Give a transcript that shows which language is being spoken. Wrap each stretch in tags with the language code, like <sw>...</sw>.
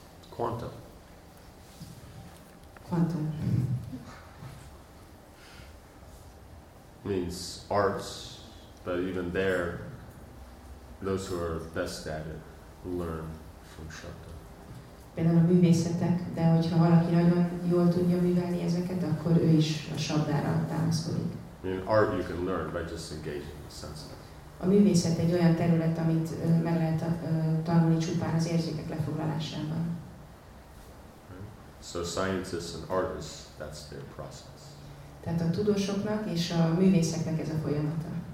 <en>Quantum. Quantum. Means arts, but even there, those who are best at it learn from shabda.</en> <hu>Például a művészetek, de hogyha valaki nagyon jól tudja művelni ezeket, akkor ő is a shabdára támaszkodik.</hu> <en>In art, you can learn by just engaging the senses.</en> <hu>A művészet egy olyan terület, amit meg lehet tanulni csupán az érzékek lefoglalásában.</hu> <en>So scientists and artists, that's their process.</en> <hu>Tehát a tudósoknak és a művészeknek ez a folyamata.</hu>